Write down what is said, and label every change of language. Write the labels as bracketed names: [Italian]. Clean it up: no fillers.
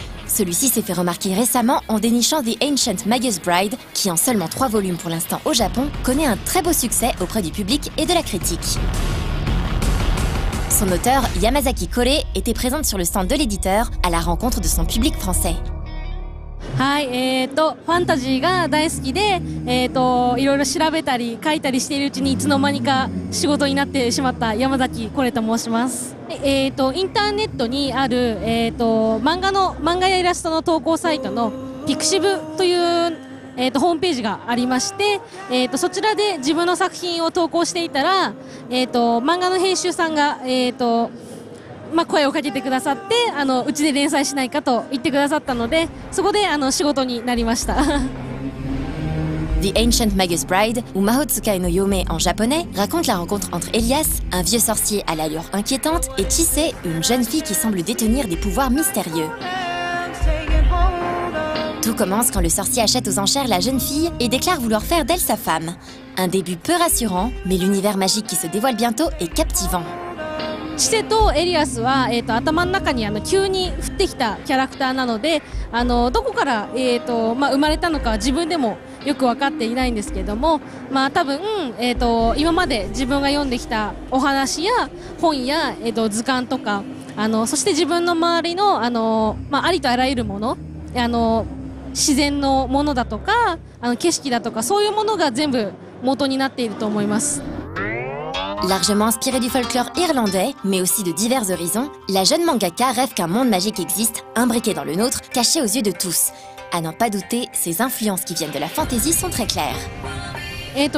[French] Celui-ci s'est fait remarquer récemment en dénichant The Ancient Magus Bride, qui en seulement 3 volumes pour l'instant au Japon, connaît un très beau succès auprès du public et de la critique. Son auteur, Yamazaki Kore, était présente sur le stand de l'éditeur à la rencontre de son public français. [Japanese] はい、ファンタジーが大好きで、いろいろ調べたり書いたりしているうちにいつの間にか仕事になってしまった山崎コレと申します。インターネットにある、漫画やイラストの投稿サイトのピクシブという、ホームページがありまして、そちらで自分の作品を投稿していたら、漫画の編集さんが、まあ、声をかけてくださって、うちで連載しないかと言ってくださったので、そこで仕事になりました。 [French] The Ancient Magus Bride, ou Maho Tsukai no Yome en japonais, raconte la rencontre entre Elias, un vieux sorcier à l'allure inquiétante, et Chisei, une jeune fille qui semble détenir des pouvoirs mystérieux. Tout commence quand le sorcier achète aux enchères la jeune fille et déclare vouloir faire d'elle sa femme. Un début peu rassurant, mais l'univers magique qui se dévoile bientôt est captivant. [Japanese] チセとエリアスは、頭の中に急に降ってきたキャラクターなので、どこから、生まれたのかは自分でもよく分かっていないんですけども、まあ、多分、今まで自分が読んできたお話や本や、図鑑とか、そして自分の周りの、ありとあらゆるもの、自然のものだとか、景色だとか、そういうものが全部元になっていると思います。 [French] Largement inspirée du folklore irlandais, mais aussi de divers horizons, la jeune mangaka rêve qu'un monde magique existe, imbriqué dans le nôtre, caché aux yeux de tous. À n'en pas douter, ses influences qui viennent de la fantasy sont très claires.